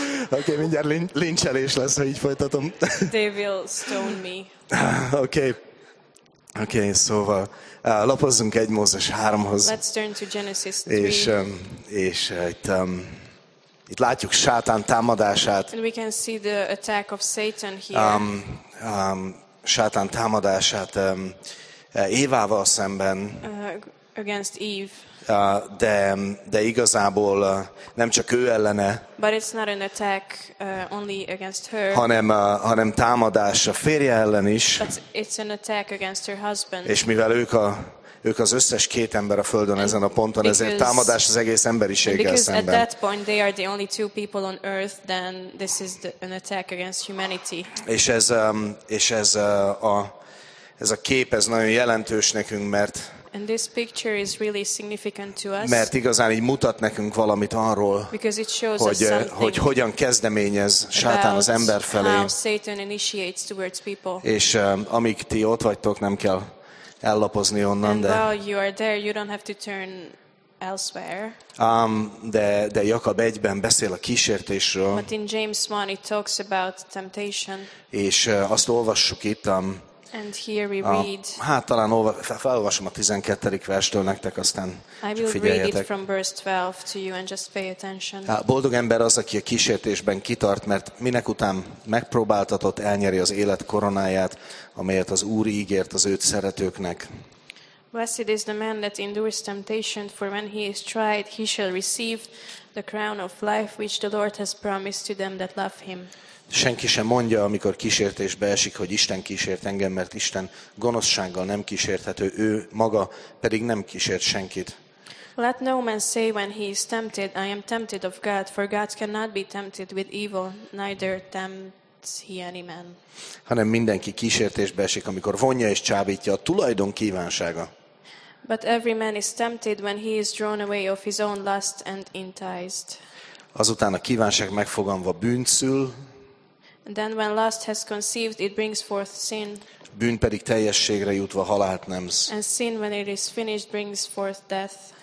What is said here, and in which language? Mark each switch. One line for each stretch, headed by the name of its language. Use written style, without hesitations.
Hungarian: Okay, mindjárt lincselés lesz, ha így folytatom.
English: They will stone me.
Hungarian: Okay, szóval lapozzunk 1 Mózes 3-hoz.
English: Let's turn to Genesis 3.
Hungarian: És itt látjuk Sátán támadását.
English: And we can see the attack of Satan here.
Hungarian: Sátán támadását Évával szemben.
English: Against Eve.
Hungarian: De igazából nem csak ő ellene.
English: But it's not an attack only against her.
Hungarian: Hanem támadás a férje ellen is.
English: But it's an attack against her husband.
Hungarian: És mivel ők az összes két ember a földön and ezen a ponton,
English: because,
Hungarian: ezért támadás az egész emberiséggel szemben.
English: Because at that point they are the only two people on earth, then this is an attack against humanity.
Hungarian: És ez a kép ez nagyon jelentős nekünk, mert
English: and this picture is really significant to us.
Hungarian: Mert igazán így mutat nekünk valamit arról,
English: because it shows
Hungarian: hogy hogyan kezdeményez Sátán az ember felé.
English: How Satan initiates towards people.
Hungarian: És amíg ti ott vagytok, nem kell ellapozni onnan, de.
English: And while you are there, you don't have to turn elsewhere.
Hungarian: De Jakab 1-ben beszél a kísértésről.
English: But in James 1, it talks about temptation.
Hungarian: És azt olvassuk itt.
English: And here we read.
Hungarian: Talán felolvasom a 12. verstől nektek, aztán csak figyeljetek.
English: I will read it from verse 12 to you and just pay attention.
Hungarian: Boldog ember az, aki a kísértésben kitart, mert minek után megpróbáltatott, elnyeri az élet koronáját, amelyet az Úr ígért az őt szeretőknek.
English: Blessed is the man that endures temptation, for when he is tried, he shall receive the crown of life, which the Lord has promised to them that love him.
Hungarian: Senki sem mondja, amikor kísértésbe esik, hogy Isten kísért engem, mert Isten gonoszsággal nem kísérthető, ő maga pedig nem kísért senkit.
English: Let no man say when he is tempted, I am tempted of God, for God cannot be tempted with evil, neither tempts he any man.
Hungarian: Hanem mindenki kísértésbe esik, amikor vonja és csábítja a tulajdon kívánsága.
English: But every man is tempted when he is drawn away of his own lust and enticed.
Hungarian: Azután a kívánság megfogalmazva bűnt szül.
English: Then when lust has conceived, it brings forth sin.
Hungarian: Bűn pedig teljességre jutva halált nemz.
English: And sin, when it is finished, brings forth death.